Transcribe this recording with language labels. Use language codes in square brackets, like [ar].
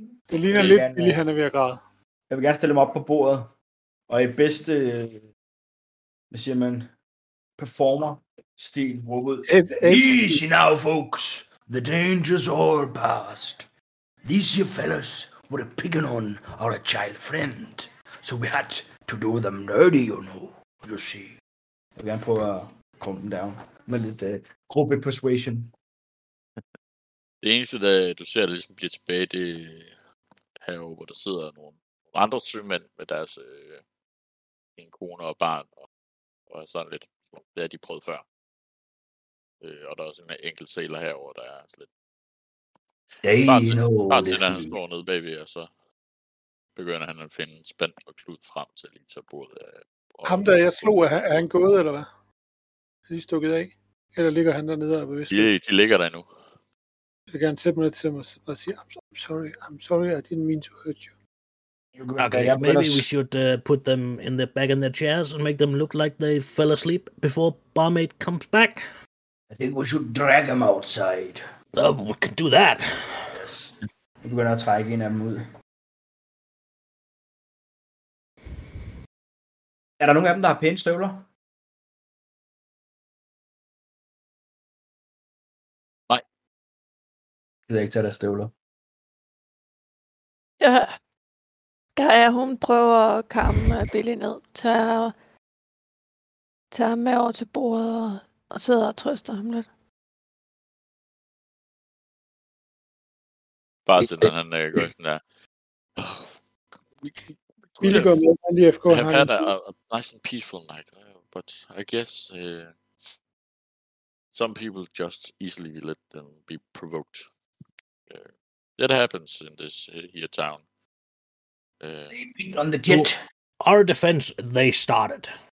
[da] det ligner lidt, gerne, lige han er ved at græde. Jeg vil gerne stille mig op på bordet, og i bedste, hvad siger man, performer, stil, råbet. [en] Easy now, folks. The danger's all past. These here fellas were picking on our child friend, so we had to do them dirty, you know, you see. [da] Jeg vil gerne prøve at calm them down med lidt gruppe persuasion. Det eneste, der du ser, der ligesom bliver tilbage, det er herovre, hvor der sidder nogle andre sømænd med deres en kone og barn, og sådan lidt, det har de prøvet før. Og der er også en enkelt sailor herover, der er altså lidt... Bare til, han står nede bagved, og så begynder han at finde spand og klud frem til lige tage bordet af... Ham der, jeg slog, er han gået, eller hvad? Er de stukket af? Eller ligger han dernede og bevidst? De ligger der nu. Jeg vil gerne sætte mig til mig og sige, [en] I'm sorry, I didn't mean to hurt you. Okay, yeah, maybe we should put them in the back in their chairs and make them look like they fell asleep before Barmaid comes back. I think we should drag them outside. Oh, we can do that. Yes. [da] Jeg begynder at trække en af dem ud. Er der nogen af dem, der har pæne støvler? Nej. Jeg gider ikke tage deres støvler. Ja. Gaia, hun prøver at kamme Billy ned, tager ham med over til bordet og sidder og trøster ham lidt. Bare til den her nægge, sådan der. Billy går med, han lige efter. [en] Have had a nice and peaceful night, but I guess some people just easily let them be provoked. That happens in this here town. They beat on the kid. So, our defense, they started.